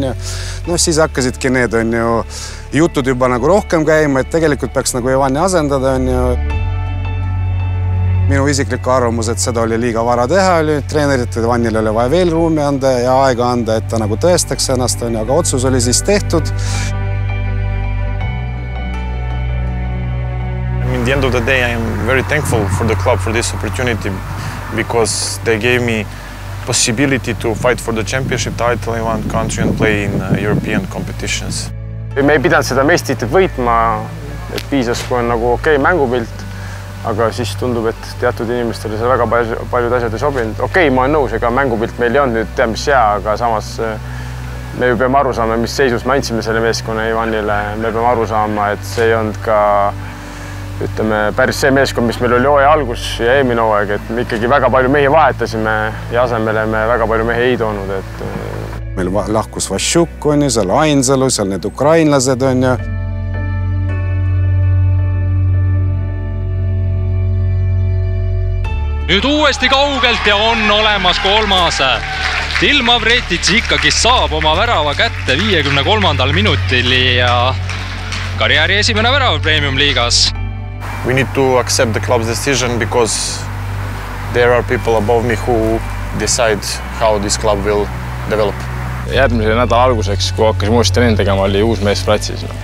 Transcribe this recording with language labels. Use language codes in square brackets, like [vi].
[et] Ja, noh, siis hakkasidki need on ju jutud juba nagu rohkem käima, et tegelikult peaks nagu Ivani asendada. On ju. Minu isiklik arvamus, et seda oli liiga vara teha, oli treenerit, et Vannile oli vaja veel ruumi anda ja aega anda, et ta nagu tõestaks ennast, aga otsus oli siis tehtud. [en] At the end of the day, I am very thankful for the club for this opportunity because they gave me possibility to fight for the championship title in one country and play in European competitions. [et] Me ei pidanud seda meistritit võitma, et piisas, kui on nagu okei mängupilt. Aga siis tundub, et teatud inimestele see väga paljud asjad ei sobinud. Okei, ma olen nõus, ega mängupilt meil ei olnud nüüd tea, mis hea, aga samas me ju peame aru saama, mis seisus me andsime selle meeskonna Ivanile. Me peame aru saama, et see ei olnud ka, ütleme, päris see meeskond, mis meil oli hooaja algus ja eelmine hooaeg, et me ikkagi väga palju mehi vahetasime ja asemele me väga palju mehi ei toonud. Et meil lahkus Vašuk, on ju, seal Ainsalu, seal need ukrainlased, on ju. Nüüd uuesti kaugelt ja on olemas kolmas. Dilma Vretits ikkagi saab oma värava kätte 53. minutil ja karjääri esimene värava Premium liigas. [en] we need to accept the club's decision because there are people above me who decide how this club will develop. [et] Järgmisel nädal alguseks, kui hakkas muust treen tegema, oli uus mees platsis.